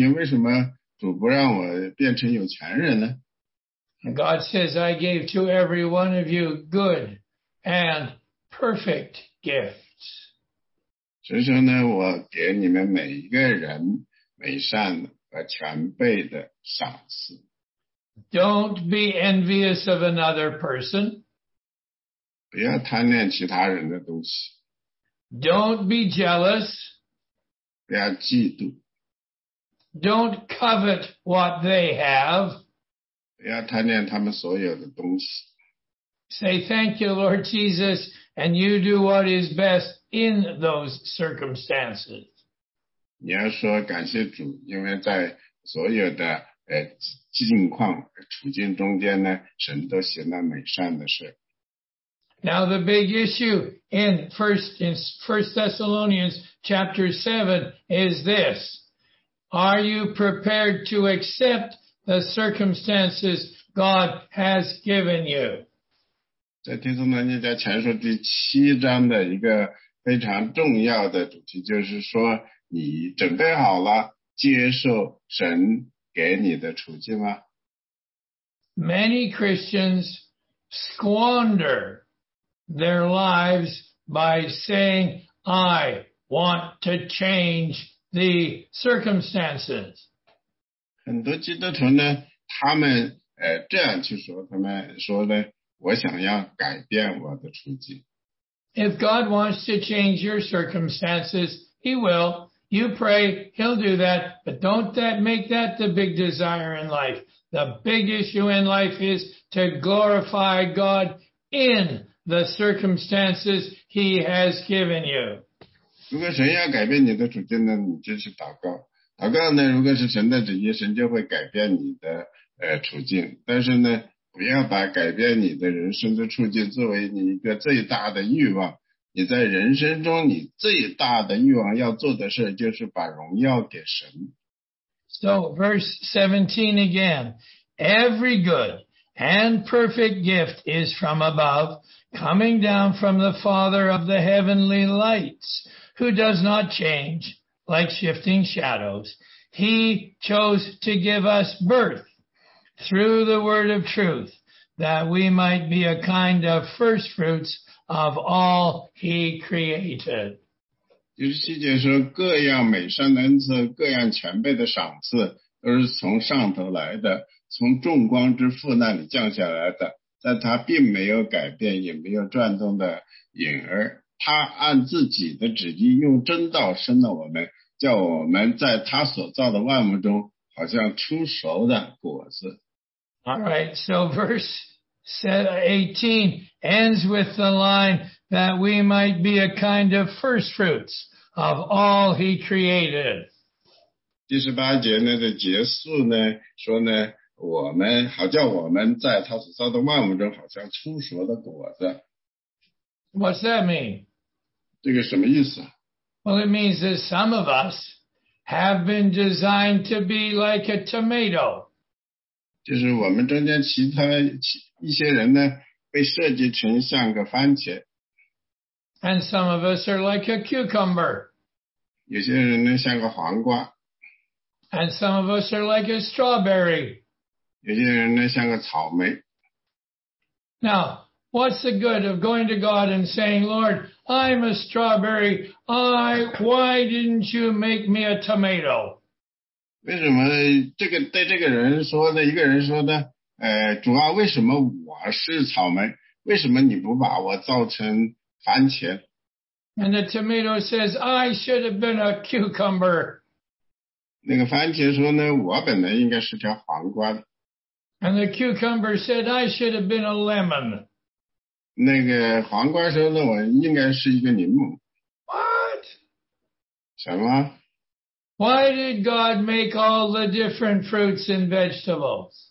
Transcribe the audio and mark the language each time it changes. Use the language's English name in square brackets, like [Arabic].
[Chinese] 然后穷人说呢，这不公平，为什么主不让我变成有钱人呢？ [English] And God says, I gave to every one of you good and perfect gifts. [Chinese] 所以说呢，我给你们每一个人美善和全备的赏赐。 [English] Don't be envious of another person. [Chinese] 不要贪恋其他人的东西。 [English] Don't be jealous. [Chinese] 不要嫉妒。 [English] Don't covet what they have. [Chinese] 不要贪恋他们所有的东西。 [English] Say thank you, Lord Jesus, and you do what is best in those circumstances. [Chinese] 你要说感谢主，因为在所有的境况处境中间呢，神都行了美善的事。 [English] Now the big issue in First Thessalonians chapter 7 is this. Are you prepared to accept the circumstances God has given you? [Chinese] 在帖撒罗尼迦前书第七章的一个非常重要的主题就是说你准备好了接受神给你的处境吗？ [English] Many Christians squander their lives by saying, I want to change the circumstances. [Chinese] 很多基督徒呢，他们这样去说，他们说呢，我想要改变我的处境。 [English] If God wants to change your circumstances, He will. You pray, He'll do that. But don't that make that the big desire in life. The big issue in life is to glorify God in the circumstances He has given you. [Chinese] 如果神要改变你的处境呢，你就去祷告。祷告呢，如果是神的旨意，神就会改变你的处境。但是呢，不要把改变你的人生的处境作为你一个最大的欲望。你在人生中，你最大的欲望要做的事就是把荣耀给神。 [English] So verse 17 again, every good and perfect gift is from above, coming down from the Father of the heavenly lights, who does not change like shifting shadows. He chose to give us birth through the word of truth, that we might be a kind of first fruits of all He created. [Chinese] 就是细节说，各样美善的恩赐，各样全备的赏赐，都是从上头来的，从众光之父那里降下来的，但他并没有改变，也没有转动的影儿。他按自己的旨意，用真道生了我们，叫我们在他所造的万物中，好像出熟的果子。 [English] All right, so verse 18 ends with the line that we might be a kind of first fruits of all He created. [Chinese] 第十八节呢的结束呢，说呢，我们好叫我们在他所造的万物中好像出熟的果子。 [English] What's that mean? [Chinese] 这个什么意思？ [English] Well, it means that some of us have been designed to be like a tomato. [Chinese] 就是我们中间其他一些人呢，被设计成像个番茄。 [English] And some of us are like a cucumber. [Chinese] 有些人呢像个黄瓜。 [English] And some of us are like a strawberry. [Chinese] 有些人呢像个草莓。 [English] Now, what's the good of going to God and saying, Lord, I'm a strawberry. Why didn't you make me a tomato? [Chinese] 为什么这个对这个人说的，一个人说的，主啊，为什么我是草莓？为什么你不把我造成番茄？ [English] And the tomato says, I should have been a cucumber. [Chinese] 那个番茄说呢，我本来应该是条黄瓜。 [English] And the cucumber said, I should have been a lemon. [Chinese] 那个黄瓜说呢，我应该是一个柠檬。 [English] What? [Chinese] 什么？ [English] Why did God make all the different fruits and vegetables?